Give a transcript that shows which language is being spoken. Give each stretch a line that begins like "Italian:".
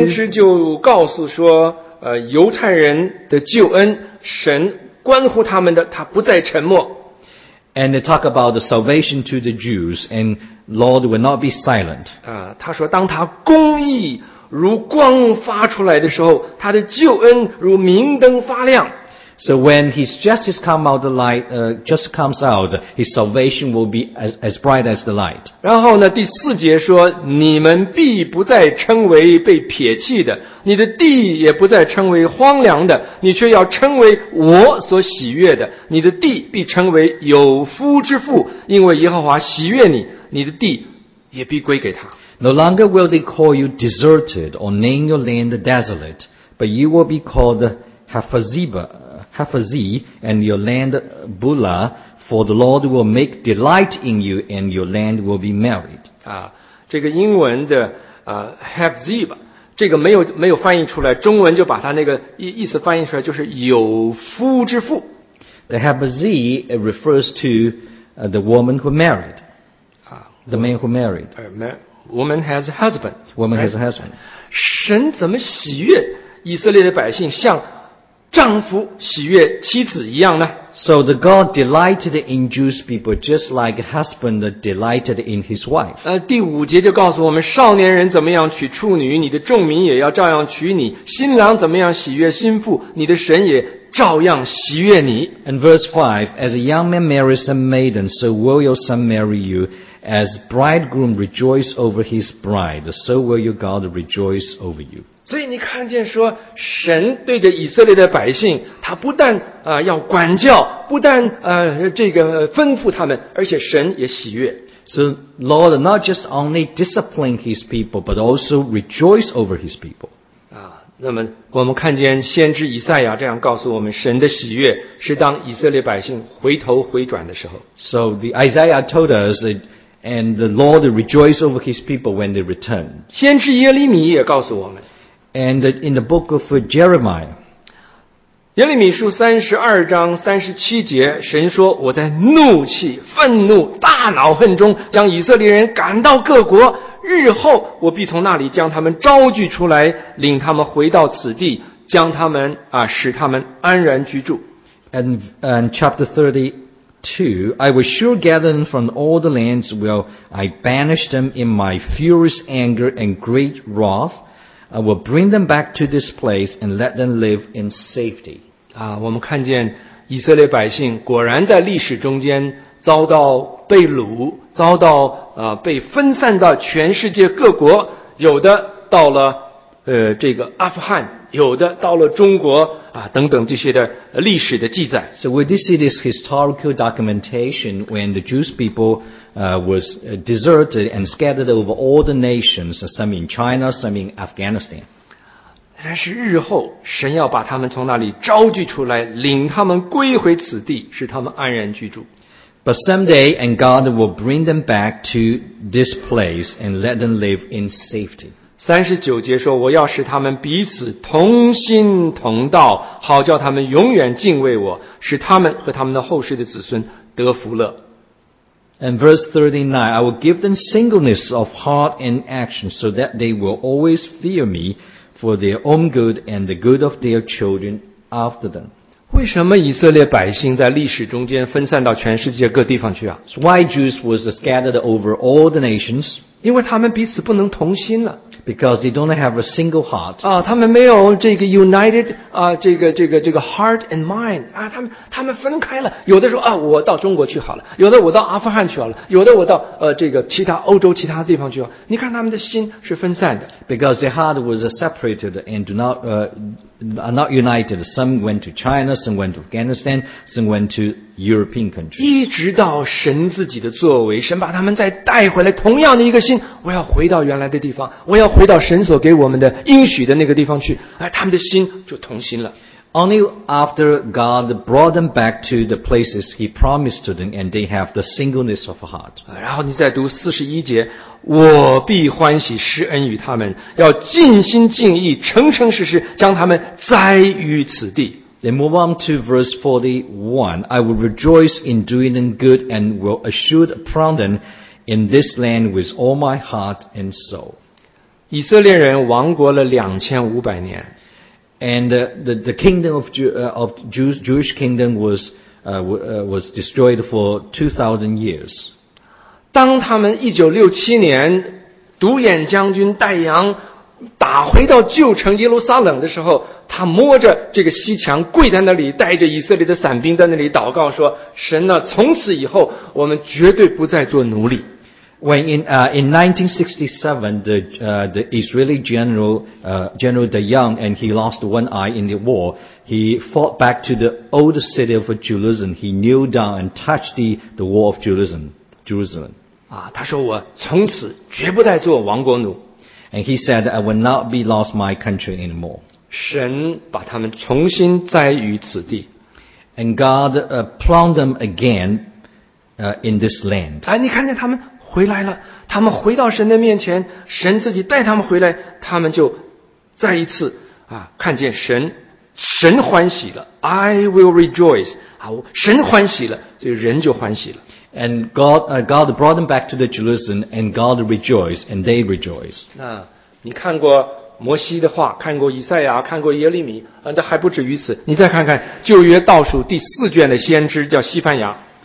Chinese: 先知就告诉说犹太人的救恩神关乎他们的他不再沉默
English: and they talk about the salvation to the Jews and Lord will not be silent
Chinese: 他说当他公义如光发出来的时候他的救恩如明灯发亮
English: so when his justice come out the light, just comes out his salvation will be as bright as the light
Chinese: 然后呢第四节说你们必不再称为被撇弃的你的地也不再称为荒凉的你却要称为我所喜悦的你的地必称为有夫之妇因为耶和华喜悦你你的地也必归给他
English: No longer will they call you deserted or name your land desolate but you will be called Hephzibah and your land Beulah for the Lord will make delight in you and your land will be married
Chinese: 这个英文的Hephzibah这个没有翻译出来中文就把它那个意思翻译出来就是有夫之妇。
English: The Hephzi refers to the woman who married. The man who married. Woman has a husband. Woman has a husband.
Chinese: 神怎么喜悦以色列的百姓像丈夫喜悦妻子一样呢?
English: So the God delighted in Jewish people just like a husband delighted in his wife.
Chinese: 第五节就告诉我们少年人怎么样娶处女你的众民也要照样娶你新郎怎么样喜悦心腹你的神也照样喜悦你。
English: And verse 5, as a young man marries a maiden, so will your son marry you. As bridegroom rejoice over his bride, so will your God rejoice over you.
Chinese: 所以你看见说神对着以色列的百姓他不但要管教不但这个吩咐他们而且神也喜悦。
English: So Lord not just only discipline his people, but also rejoice over his people.
Chinese: 那么我们看见先知以赛亚这样告诉我们，神的喜悦是当以色列百姓回头回转的时候。
English: So the Isaiah told us that, and the Lord rejoiced over His people when they returned.
Chinese: 先知耶利米也告诉我们。
English: And in the book of Jeremiah,
Chinese: 耶利米书三十二章三十七节，神说：“我在怒气、愤怒、大恼恨中，将以色列人赶到各国。” 日后我必从那里将他们招聚出来，领他们回到此地，将他们啊使他们安然居住。
English: And chapter 32, I will sure gather them from all the lands where I banished them in my furious anger and great wrath. I will bring them back to this place and let them live in safety.
Chinese: 啊，我们看见以色列百姓果然在历史中间遭到被掳，遭到被分散到全世界各国，有的到了这个阿富汗，有的到了中国啊等等这些的历史的记载。
English: So we see this historical documentation when the Jewish people was deserted and scattered over all the nations, some in China, some in Afghanistan.
Chinese: 但是日后神要把他们从那里召聚出来，领他们归回此地，使他们安然居住。
English: But someday, and God will bring them back to this place and let them live in safety.
Chinese: 39节说，我要使他们彼此同心同道，好叫他们永远敬畏我，使他们和他们的后世的子孙得福乐。
English: And verse 39, I will give them singleness of heart and action so that they will always fear me for their own good and the good of their children after them.
Chinese: 为什么以色列百姓在历史中间分散到全世界各地方去啊
English: ？Why Jews was scattered over all the nations？
Chinese: 因为他们彼此不能同心了。
English: Because they don't have a single heart。
Chinese: 啊，他们没有这个
English: united
Chinese: 啊，这个
English: heart and mind
Chinese: 啊，他们分开了。有的说啊，我到中国去好了；有的我到阿富汗去好了；有的我到这个其他欧洲其他地方去好。你看他们的心是分散的。
English: Because their heart was separated and do not are not united. Some went to China, some went to Afghanistan, some went to European countries.
Chinese: 一直到神自己的作为，神把他们再带回来，同样的一个心，我要回到原来的地方，我要回到神所给我们的应许的那个地方去，哎，他们的心就同心了。
English: Only after God brought them back to the places He promised to them, and they have the singleness of heart.
Chinese: 然后你再读41节。我必欢喜施恩于他们，要尽心尽意诚诚实实将他们栽于此地。
English: Then move on to verse 41. I will rejoice in doing them good and will assured upon them in this land with all my heart and soul.
Chinese: 以色列人亡国了2500年。
English: And the kingdom of Jewish kingdom was destroyed for 2000 years.
Chinese: 当他们1967年独眼将军戴阳打回到旧城耶路撒冷的时候，他摸着这个西墙跪在那里，带着以色列的散兵在那里祷告说，神呢，从此以后我们绝对不再做奴隶。
English: When in 1967 the Israeli general Dayan, and he lost one eye in the war, he fought back to the old city of Jerusalem. He kneeled down and touched the wall of Jerusalem.
Chinese: 啊，他说我从此绝不再做亡国奴。
English: And he said, I will not be lost my country anymore.
Chinese: 神把他们重新栽于此地。
English: And God planted them again in this land.
Chinese: 哎，你看见他们回来了，他们回到神的面前，神自己带他们回来，他们就再一次啊，看见神欢喜了。
English: I will rejoice.
Chinese: 啊，神欢喜了，这个人就欢喜了。
English: And God brought them back to the Jerusalem, and God rejoiced, and they rejoiced.
Chinese: 那你看过摩西的话，看过以赛亚，看过耶利米，这还不止于此。你再看看旧约倒数第四卷的先知叫西番雅。